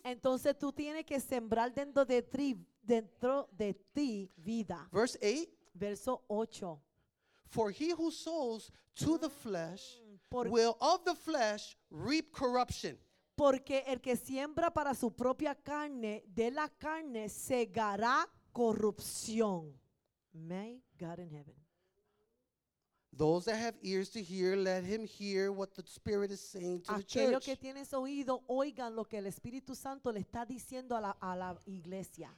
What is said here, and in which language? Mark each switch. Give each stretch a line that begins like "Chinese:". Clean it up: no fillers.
Spanish: Entonces tú tienes que sembrar dentro de ti vida. Verso 8.
English: For he who sows to the flesh will of the flesh reap corruption.
Spanish: Porque el que siembra para su propia carne, de la carne segará corrupción.
English: May God in heaven. Those that have ears to hear, let him hear what the Spirit is saying to
Spanish: Aquello
English: the church.
Spanish: Que tienes oído, oigan lo que el Espíritu Santo le está diciendo a la iglesia.